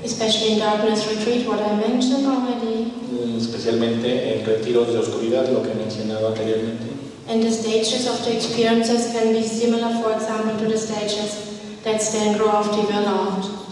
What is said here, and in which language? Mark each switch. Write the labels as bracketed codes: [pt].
[en] Especially in darkness retreat, what I mentioned already. [es] Especialmente en retiros de oscuridad, lo que he mencionado anteriormente. [en] And the stages of the experiences can be similar, for example, to the stages that Stan Grof developed.